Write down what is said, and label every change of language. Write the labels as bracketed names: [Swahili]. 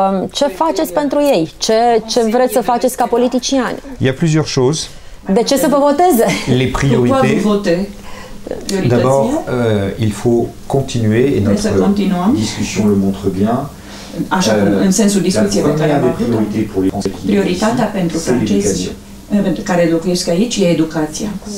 [Romanian] Ce faceți pentru ei? Ce vreți să faceți ca politicieni? [French] Plusieurs choses. [Romanian] De ce să vă voteze? [French] Les priorités. D'abord, il faut continuer et notre discussion le montre bien. [Romanian] Așa cum, în sensul discuției pe care am avut-o, prioritatea pentru francezii care locuiesc aici e educația.